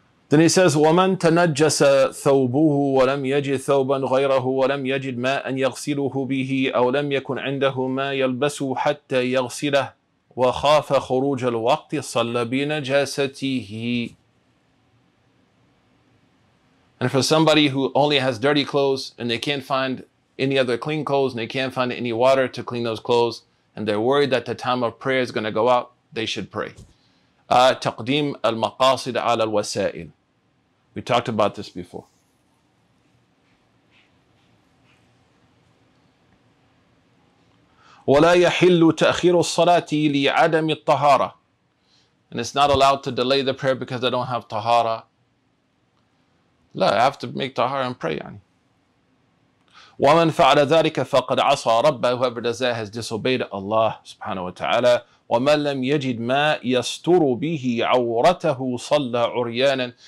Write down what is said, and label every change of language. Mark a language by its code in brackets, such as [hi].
[en] Then he says, [ar] وَمَنْ تَنَجَّسَ ثَوْبُهُ وَلَمْ يَجِدْ ثَوْبًا غَيْرَهُ وَلَمْ يَجِدْ مَا أَنْ يَغْسِلُهُ بِهِ أَوْ لَمْ يَكُنْ عِنْدَهُ مَا يَلْبَسُ حَتَّى يَغْسِلَهُ وَخَافَ خُرُوجَ الْوَقْتِ صَلَّ بِنَجَاسَتِهِ. [en] And for somebody who only has dirty clothes and they can't find any other clean clothes and they can't find any water to clean those clothes and they're worried that the time of prayer is going to go out, they should pray. [ar] تقديم المقاصد على الوسائل. [en] We talked about this before. [ar] ولا يحل تأخير الصلاة لعدم الطهارة. [en] And it's not allowed to delay the prayer because I don't have tahara. لا, I have to make tahara and pray. [ar] وَمَنْ فَعْلَ ذَٰلِكَ فَقَدْ عَصَى رَبَّهُ. [en] Whoever does that has disobeyed Allah subhanahu wa ta'ala. [ar] وَمَنْ لَمْ يَجِدْ مَا يَسْتُرُ بِهِ عَوْرَتَهُ صَلَّى عُرْيَانًا.